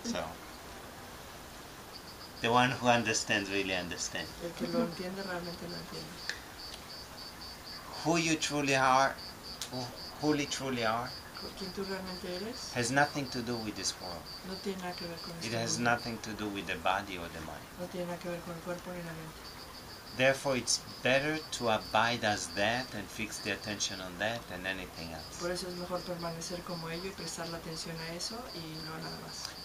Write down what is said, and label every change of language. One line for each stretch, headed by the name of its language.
English: So, the one who understands really understands.
Spanish: El que lo entiende realmente lo entiende.
English: Who you truly are, who you truly are,
Spanish: ¿quién tú realmente eres?
English: Has nothing to do with this world.
Spanish: No tiene nada que ver con
English: it has
Spanish: mundo.
English: Nothing to do with the body or the mind.
Spanish: No tiene nada que ver con el cuerpo ni la mente.
English: Therefore, it's better to abide as that and fix the attention on that than anything else.
Spanish: Por eso es mejor permanecer como ello y prestar la atención a eso y no a nada más.